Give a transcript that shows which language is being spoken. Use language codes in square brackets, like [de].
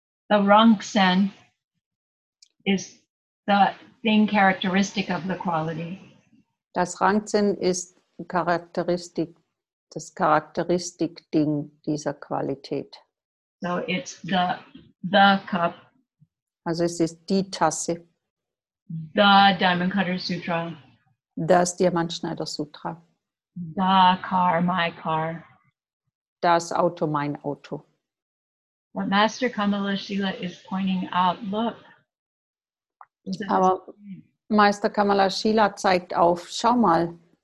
[en] The Rongsen is the thing characteristic of the quality. [de] Das Rongsen ist Charakteristik, das Charakteristikding dieser Qualität. [en] So it's the cup. [de] Also es ist die Tasse. [en] The Diamond Cutter Sutra. [de] Das Diamantschneider Sutra. [en] The car, my car. [de] Das Auto, mein Auto. [en] What Master Kamala Shila is pointing out, look, [de] aber Meister Kamala Shila zeigt auf, schau mal.